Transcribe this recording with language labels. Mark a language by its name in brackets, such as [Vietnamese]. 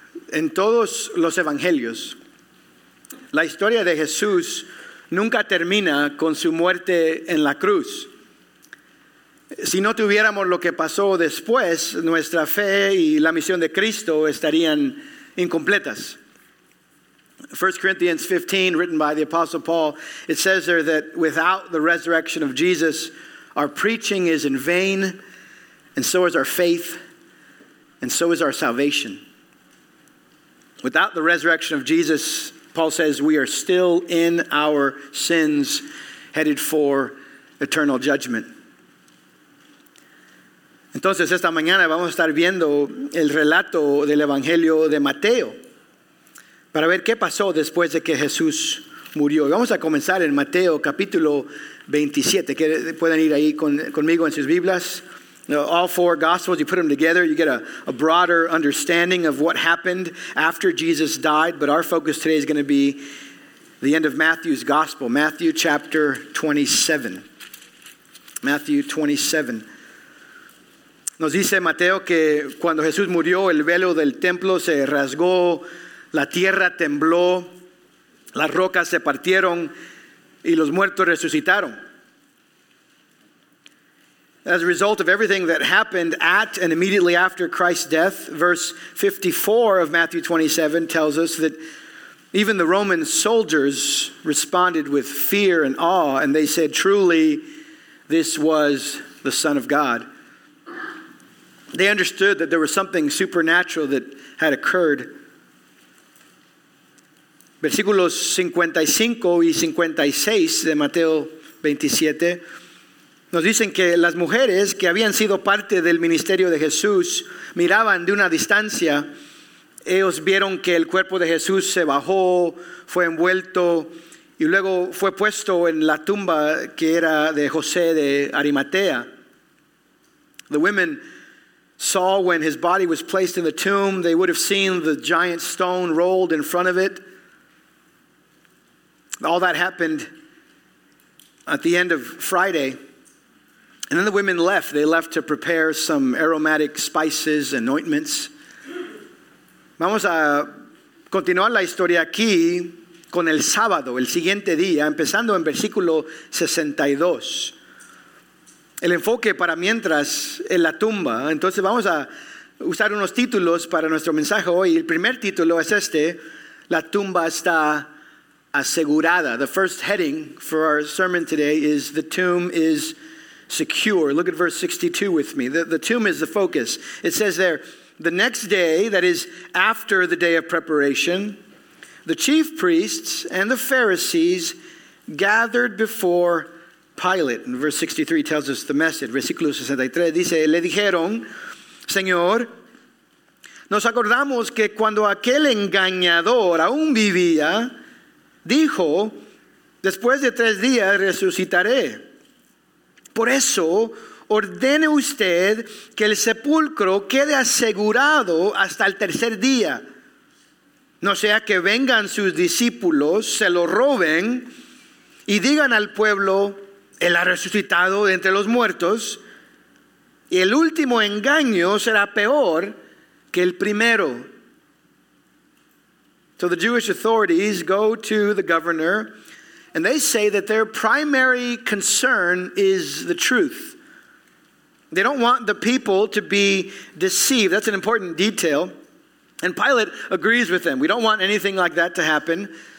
[Spanish] en todos los evangelios, la historia de Jesús nunca termina con su muerte en la cruz. Si no tuviéramos lo que pasó después, nuestra fe y la misión de Cristo estarían incompletas. [English] 1 Corinthians 15, written by the Apostle Paul, it says there that without the resurrection of Jesus, our preaching is in vain, and so is our faith, and so is our salvation. Without the resurrection of Jesus, Paul says, we are still in our sins, headed for eternal judgment. [Spanish] Entonces, esta mañana vamos a estar viendo el relato del Evangelio de Mateo, para ver qué pasó después de que Jesús murió. Vamos a comenzar en Mateo capítulo 27. Pueden ir ahí conmigo en sus Biblias. [English] All four Gospels, you put them together, you get a broader understanding of what happened after Jesus died. But our focus today is going to be the end of Matthew's Gospel. Matthew chapter 27. Matthew 27. [Spanish] Nos dice Mateo que cuando Jesús murió, el velo del templo se rasgó. La tierra tembló, las rocas se partieron y los muertos resucitaron. [English] As a result of everything that happened at and immediately after Christ's death, verse 54 of Matthew 27 tells us that even the Roman soldiers responded with fear and awe, and they said, truly, this was the Son of God. They understood that there was something supernatural that had occurred. [Spanish] Versículos 55 y 56 de Mateo 27 nos dicen que las mujeres que habían sido parte del ministerio de Jesús miraban de una distancia. Ellos vieron que el cuerpo de Jesús se bajó, fue envuelto y luego fue puesto en la tumba que era de José de Arimatea. [English] The women saw when his body was placed in the tomb, they would have seen the giant stone rolled in front of it. All that happened at the end of Friday. And then the women left. They left to prepare some aromatic spices and ointments. [Spanish] Vamos a continuar la historia aquí con el sábado, el siguiente día, empezando en versículo 62. El enfoque para mientras en la tumba. Entonces vamos a usar unos títulos para nuestro mensaje hoy. El primer título es este: La tumba está asegurada. [English] The first heading for our sermon today is the tomb is secure. Look at verse 62 with me. The tomb is the focus. It says there, the next day, that is after the day of preparation, the chief priests and the Pharisees gathered before Pilate. And verse 63 tells us the message. [Spanish] Versículo 63 dice, le dijeron, Señor, nos acordamos que cuando aquel engañador aún vivía, dijo, después de tres días resucitaré. Por eso, ordene usted que el sepulcro quede asegurado hasta el tercer día. No sea que vengan sus discípulos, se lo roben y digan al pueblo, él ha resucitado de entre los muertos. Y el último engaño será peor que el primero. [English] So the Jewish authorities go to the governor and they say that their primary concern is the truth. They don't want the people to be deceived. That's an important detail. And Pilate agrees with them. We don't want anything like that to happen.